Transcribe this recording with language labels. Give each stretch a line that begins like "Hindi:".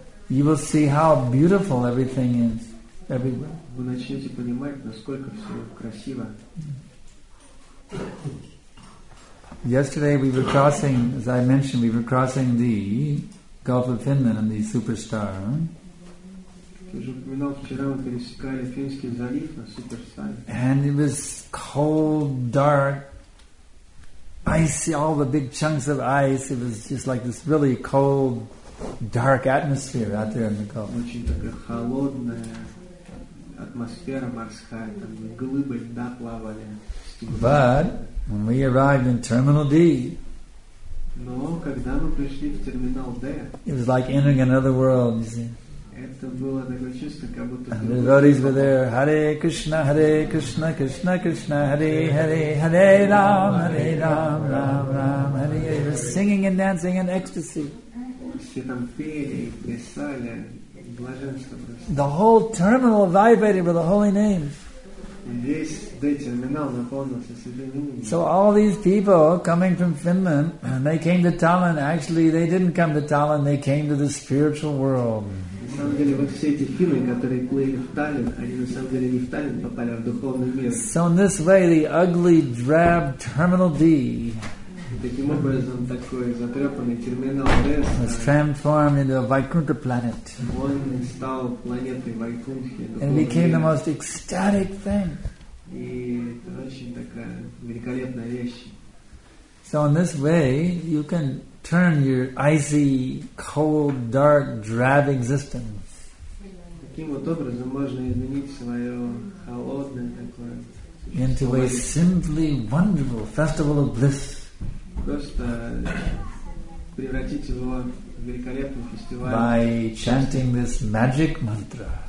English: You will see how beautiful everything is everywhere.
Russian: Вы начнете понимать, насколько все красиво.
English: Yesterday we were crossing, as I mentioned, we were crossing the Gulf of Finland, the superstar.
Russian: Я уже упоминал, вчера мы пересекали Финский залив на суперстаре.
English: And it was cold, dark. I see all the big chunks of ice. It was just like this really cold, dark atmosphere out there in the Gulf.
Russian: Очень такая холодная атмосфера морская. Там глыбы льда плавали.
English: But when we arrived in Terminal D,
Russian: но когда мы пришли в терминал D,
English: it was like entering another world. You see.
Russian: Это было такое чувство, как будто.
English: And the devotees were there. Hare Krishna, Hare Krishna, Krishna Krishna, Hare Hare, Hare Ram, Hare Ram, Ram Ram, Hare. They were singing and dancing in ecstasy.
Russian: Все там пели, плясали, блаженство просто.
English: The whole terminal vibrated with the holy names.
Russian: Весь D терминал наполнился святыми именами.
English: So all these people coming from Finland, and they came to Tallinn. Actually, they didn't come to Tallinn. They came to the spiritual world.
Russian: На самом деле, вот все эти фильмы, которые плыли в Таллин, они на самом деле не в Таллин попали, а в духовный мир.
English: So in this way, the ugly, drab Terminal D.
Russian: Таким образом, такой затрепанный терминал D
English: was transformed into a Vaikuntha planet.
Russian: Он стал планетой Вайкунтхи.
English: And it became the most ecstatic thing.
Russian: И это очень такая великолепная вещь.
English: So in this way, you can turn your icy, cold, dark, drab existence.
Russian: Таким вот образом можно изменить свое холодное такое.
English: Into a simply wonderful festival of bliss.
Russian: Просто превратить его в великолепный фестиваль.
English: By chanting this magic mantra.